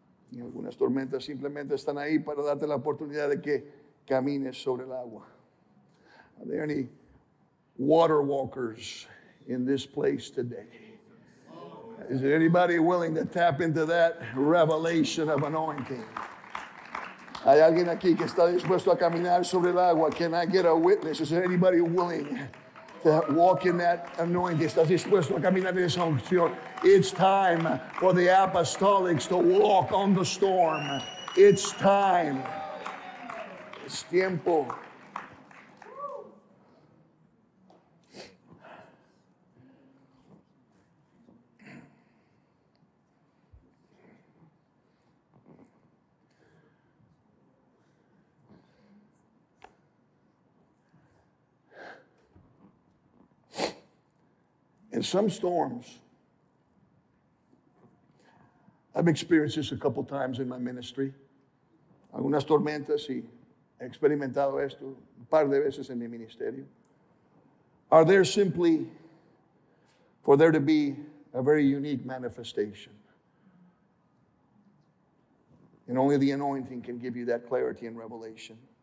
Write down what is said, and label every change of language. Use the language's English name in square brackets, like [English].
[Spanish] Y algunas tormentas simplemente están ahí para darte la oportunidad de que camines sobre el agua. [English] Are there any water walkers in this place today? Is there anybody willing to tap into that revelation of anointing? [Spanish] ¿Hay alguien aquí que está dispuesto a caminar sobre el agua? [English] Can I get a witness? Is there anybody willing to walk in that anointing? [Spanish] ¿Estás dispuesto a caminar en esa unción? [English] It's time for the apostolics to walk on the storm. [Spanish] It's time. Es tiempo. [English] In some storms, I've experienced this a couple times in my ministry. [Spanish] Algunas tormentas, y he experimentado esto un par de veces en mi ministerio. [English] Are there simply for there to be a very unique manifestation? And only the anointing can give you that clarity and revelation.